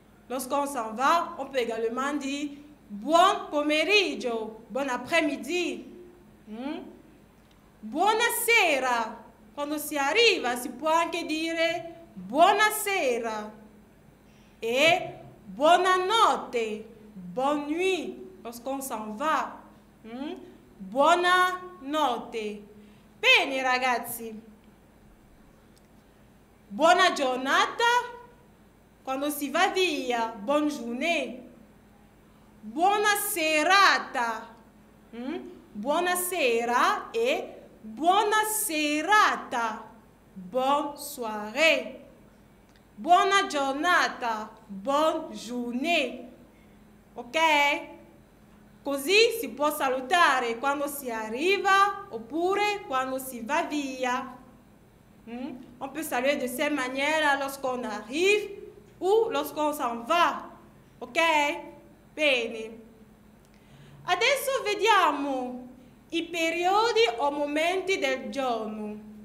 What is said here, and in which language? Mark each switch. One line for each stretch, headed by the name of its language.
French: Lorsqu'on s'en va, on peut également dire buon pomeriggio. Bon après-midi. Buonasera.
Italian: Quando si arriva, si può anche dire buonasera.
French: E buonanotte, bonne nuit, lorsqu'on s'en va.
Italian: Buonanotte. Bene, ragazzi. Buona giornata, quando si va via,
French: bonne journée.
Italian: Buona serata. Buona sera e buona serata.
French: Bonne soirée. Buona giornata, bonne journée. Ok?
Italian: Così si può salutare quando si arriva oppure quando si va via.
French: On peut saluer de cette manière-là lorsqu'on arrive ou lorsqu'on s'en va.
Italian: Ok? Bene. Adesso vediamo i periodi o momenti del giorno.